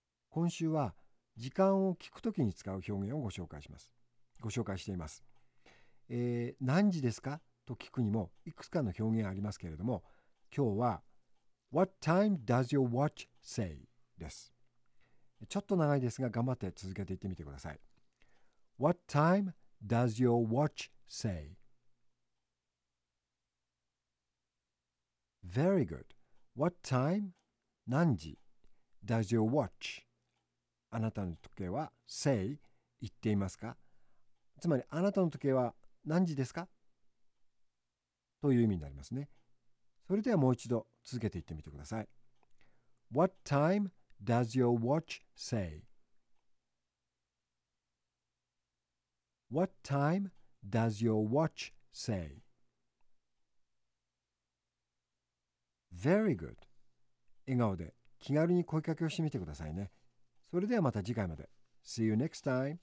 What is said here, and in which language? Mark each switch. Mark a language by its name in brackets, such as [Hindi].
[Japanese] 今週は時間を聞くときに使う表現をご紹介します。何時ですかと聞くにもいくつかの表現ありますけれども、今日は [English] What time does your watch say? [Japanese] です。ちょっと長いですが、頑張って続けていってみてください。 [English] What time does your watch say? Very good. What time? 何時?Does your watch? [Japanese] あなたの時計は say 言っていますか。つまりあなたの時計は何時ですかという意味になりますね。それではもう一度続けていってみてください。 [English] What time does your watch say? What time does your watch say? Very good. [Japanese] 笑顔で気軽に声かけをしてみてくださいね。それではまた次回まで。 [English] See you next time.